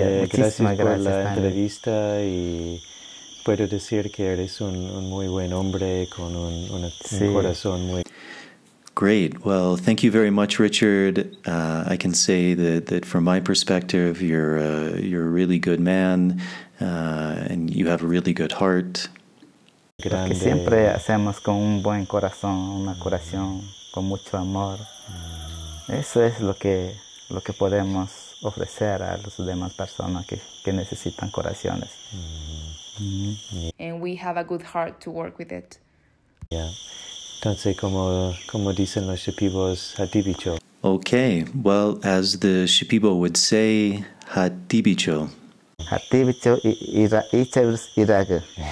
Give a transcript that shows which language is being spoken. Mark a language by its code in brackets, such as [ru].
[es] Gracias por la entrevista y puedo decir que eres un muy buen hombre con un corazón muy... [en] Great. Well, thank you very much, Richard. I can say that from my perspective, you're a really good man, and you have a really good heart. [es] Grande. Porque siempre hacemos con un buen corazón, una curación con mucho amor. Eso es lo que podemos ofrecer a las demás personas que necesitan curaciones. [en] And we have a good heart to work with it. [es] Yeah. Entonces, como dicen los Shipibos, Hatibicho. [en] Okay, well, as the Shipibo would say, Hatibicho. [shp] Hatibicho Iraku.